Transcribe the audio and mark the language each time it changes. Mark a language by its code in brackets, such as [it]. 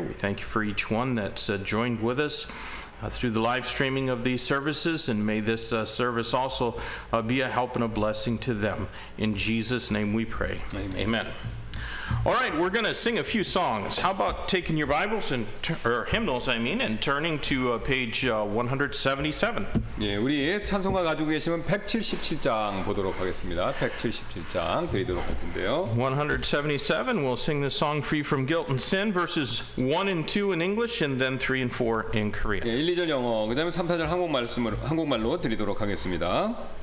[en] We thank you for each one that's joined with us through the live streaming of these services, and may this service also be a help and a blessing to them. In Jesus' name we pray. Amen. Amen. All right, we're going to sing a few songs. How about taking your Bibles, and turning to page 177. [ko] 예, 우리 찬송가 가지고 계시면 177장 보도록 하겠습니다. 177장 드리도록 할 텐데요. [en] 177, we'll sing the song Free from Guilt and Sin, verses 1 and 2 in English, and then 3 and 4 in Korean. [ko] 예, 1, 2절 영어, 그 다음에 3, 4절 한국말로 드리도록 하겠습니다.